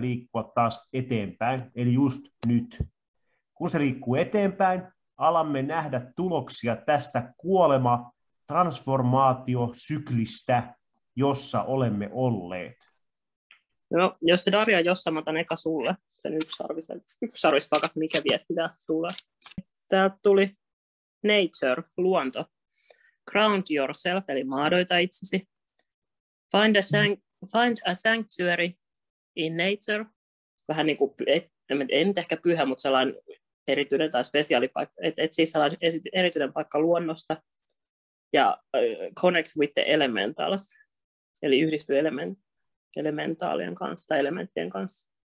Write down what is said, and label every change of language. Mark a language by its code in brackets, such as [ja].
[fi] liikkua taas eteenpäin, eli just nyt. Kun se liikkuu eteenpäin, alamme nähdä tuloksia tästä kuolema-transformaatiosyklistä, jossa olemme olleet. No, jos se Darja, jos mä otan eka sulle sen yksisarvispakas, mikä viesti tää tulee. Tää tuli nature, luonto. [en] Ground yourself, [fi] eli maadoita itsesi. [en] Find a sanctuary in nature. [fi] Vähän niin kuin, en ehkä pyhä, mutta sellainen erityinen tai spesiaalipaikka, että siis sellainen erityinen paikka luonnosta. Ja [en] connect with the elementals, [fi] eli yhdisty elementaalien kanssa tai elementtien kanssa.